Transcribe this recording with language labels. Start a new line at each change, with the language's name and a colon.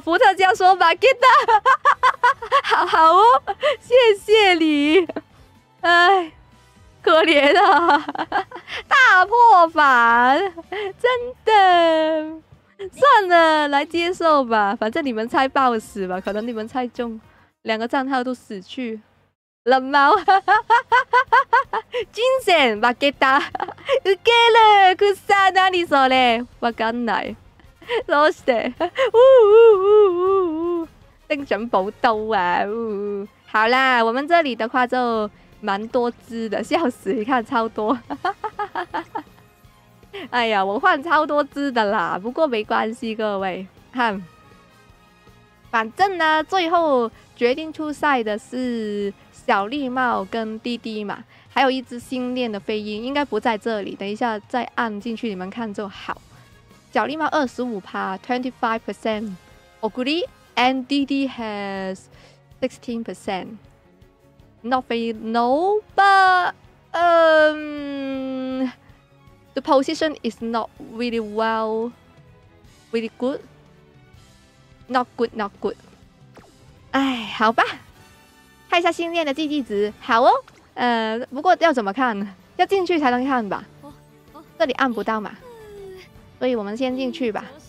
Chinese: 伏特加说马吉达，好哦，谢谢你，哎，可怜啊，大破防，真的，算了，来接受吧，反正你们猜爆死吧，可能你们猜中，两个账号都死去。冷猫，精神马吉达，
Japanese: 受けるくさ何それ？わかんない。どうして？
Chinese: 呜呜呜呜呜！精神宝刀啊！呜呜！好啦，我们这里的话就蛮多只的，笑死，你看超多。哎呀，我换超多只的啦，不过没关系，各位看，反正呢最后决定出赛的是小绿帽跟滴滴嘛，还有一只新练的飞鹰应该不在这里，等一下再按进去你们看就好。
English: 小绿帽 25% 25%， Oguri and 滴滴 has 16%， Not 飞鹰 No but the position is not really well really good not good not good。
Chinese: 哎，好吧，看一下新练的竞技值。好哦，不过要怎么看，要进去才能看吧，这里按不到嘛，所以我们先进去吧。